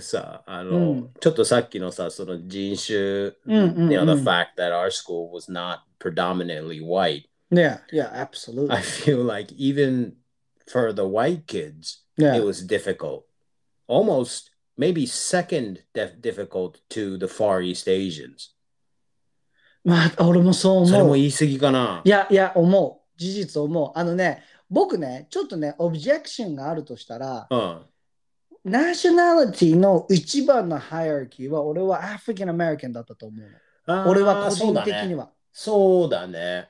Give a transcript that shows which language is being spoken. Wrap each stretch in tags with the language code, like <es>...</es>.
<ja>さあ、あの、うん、ちょっとさっきのさ、その人種、うんうんうん、</ja> <en>you know, the fact that our school was not predominantly white. Yeah, yeah, absolutely. I feel like even for the white kids,、 yeah. it was difficult. Almost. Maybe second difficult to the Far East Asians.</en> <ja>まあ、俺もそう思う。それも言い過ぎかな。いやいや、思う。事実思う。あのね、僕ね、ちょっとね、オブジェクションがあるとしたら、うん、ナショナリティの一番のハイアーキーは俺はアフリカンアメリカンだったと思うの。俺は個人的にはそうだね、</ja>